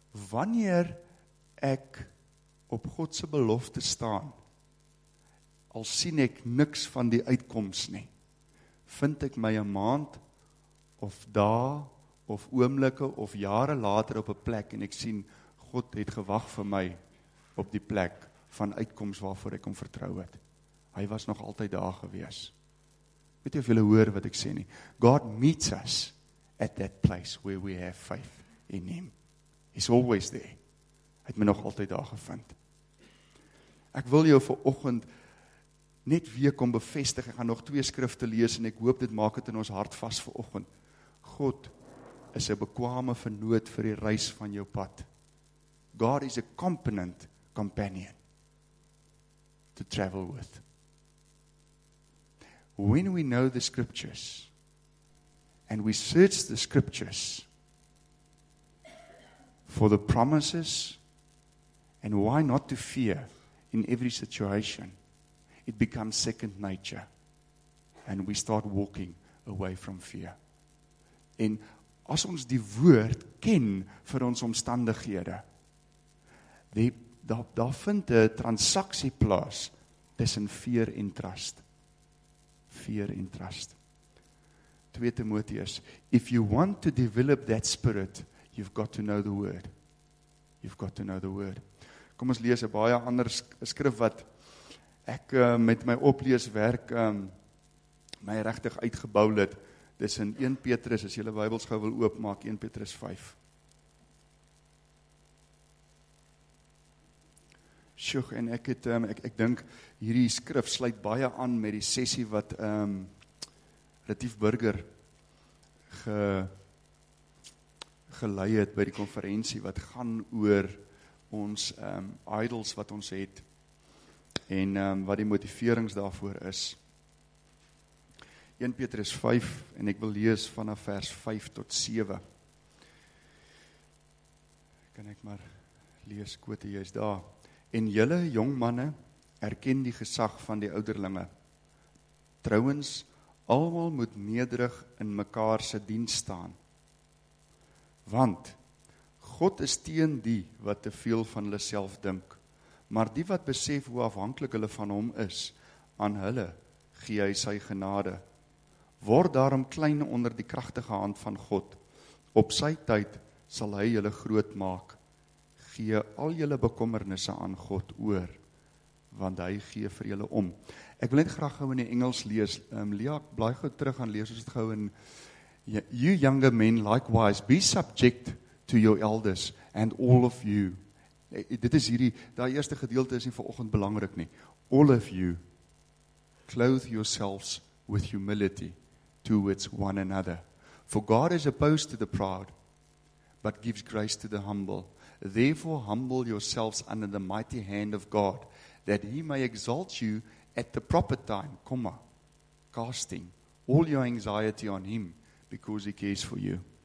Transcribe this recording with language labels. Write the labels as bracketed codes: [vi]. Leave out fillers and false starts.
[af] Wanneer ek op God se belofte staan, al sien ek niks van die uitkoms nie, vind ek my 'n maand, of dae, of oomblikke, of jare later op 'n plek, en ek sien, God het gewag vir my op die plek van uitkoms waarvoor ek hom vertrou het. Hy was nog altyd daar gewees. Weet jy of julle hoor wat ek sê nie? [en] God meets us at that place where we have faith in him. He's always there. [af] Hy het my nog altyd daar gevind. Ek wil jou vir oggend net weer kom bevestig. Ek gaan nog 2 skrifte lees en ek hoop dit maak dit in ons hart vas vir oggend. God is 'n bekwame venoot vir die reis van jou pad. [en] God is a competent companion to travel with. When we know the scriptures and we search the scriptures, for the promises, and why not to fear in every situation? It becomes second nature, and we start walking away from fear. [af] En as ons die woord ken vir ons omstandighede, daar vind 'n transaksie plaas tussen fear en trust. [en] Fear en trust. 2 Timoteus, if you want to develop that spirit, you've got to know the word. You've got to know the word. [af] Kom ons lees 'n baie ander skrif wat ek met my opleeswerk my regtig uitgebou het. Dis in 1 Petrus, as julle Bybels gou wil oopmaak, 1 Petrus 5. Sjoeg, en ek het, ek dink, hierdie skrif sluit baie aan met die sessie wat Retief Burger gelei het by die konferensie, wat gaan oor ons idols wat ons het, en wat die motiverings daarvoor is. 1 Petrus 5, en ek wil lees vanaf vers 5 tot 7. Kan ek maar lees, Kote, jy is daar. En julle, jong manne, erken die gesag van die ouderlinge. Trouwens, almal moet nederig in mekaar se diens staan. Want God is teen die wat te veel van hulle self dink, maar die wat besef hoe afhanklik hulle van hom is, aan hulle gee hy sy genade. Word daarom klein onder die kragtige hand van God. Op sy tyd sal hy julle groot maak. Gee al julle bekommernisse aan God oor, want hy gee vir julle om. Ek wil net graag gou in die Engels lees. Lea, blaai gou terug en lees ons dit gou in. [en] You younger men, likewise, be subject to your elders and all of you. [af] Dit is hierdie, die eerste gedeelte is nie vir oggend belangrik nie. [en] All of you, clothe yourselves with humility towards one another. For God is opposed to the proud, but gives grace to the humble. Therefore, humble yourselves under the mighty hand of God, that he may exalt you at the proper time, comma, casting all your anxiety on him, because he cares for you.